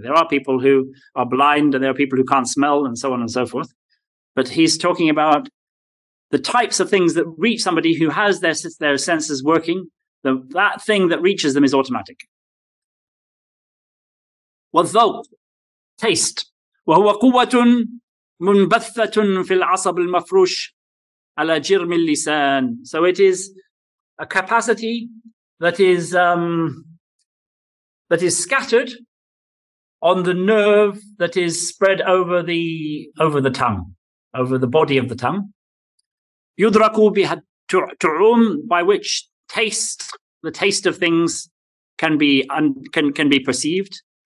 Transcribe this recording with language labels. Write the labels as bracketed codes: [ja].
[en] There are people who are blind, and there are people who can't smell, and so on and so forth. But he's talking about the types of things that reach somebody who has their senses working, that thing that reaches them is automatic. [ar] والذوق, taste. وهو قوة منبثة في العصب المفروش على جرم اللسان. [en] So it is a capacity that is scattered on the nerve that is spread over the tongue. over the body of the tongue. [ar] Yudraku biha tu'um, [en] by which taste, the taste of things can be perceived.